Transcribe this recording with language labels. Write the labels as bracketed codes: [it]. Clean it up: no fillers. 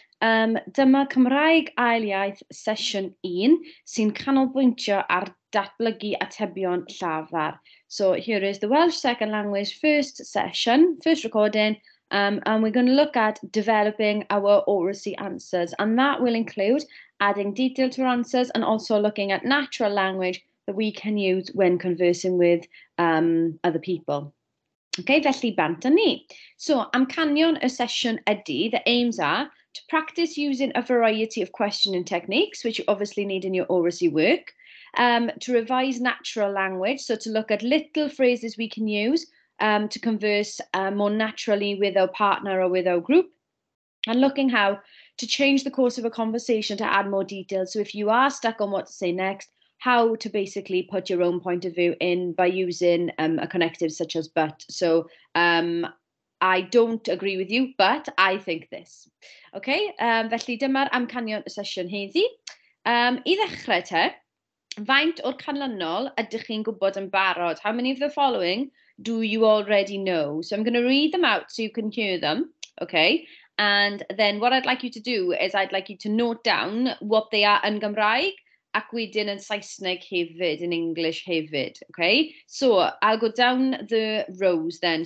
[cy] Dyma Cymraeg ail iaith sesiwn 1 sy'n canolbwyntio ar datblygu atebion llafar. [en] So here is the Welsh second language first session, first recording, and we're going to look at developing our oracy answers, and that will include adding detail to our answers and also looking at natural language that we can use when conversing with other people. Okay, [cy] felly bant a ni. [en] So, [cy] amcanion y sesiwn ydy, [en] the aims are to practice using a variety of questioning techniques, which you obviously need in your oracy work, to revise natural language, so to look at little phrases we can use to converse more naturally with our partner or with our group, and looking how to change the course of a conversation to add more details. So if you are stuck on what to say next, how to basically put your own point of view in by using a connective such as but. So I don't agree with you, but I think this. [cy] Okay, felly dyma'r amcanion y sesiwn heddi. I ddechrau te, faint o'r canlynol ydych chi'n gwybod yn barod? [en] How many of the following do you already know? So I'm going to read them out so you can hear them. Okay, and then what I'd like you to do is I'd like you to note down what they are [cy] yn Gymraeg, ac wedyn yn Saesneg hefyd, [en] in English hefyd, okay? So, I'll go down the rows then.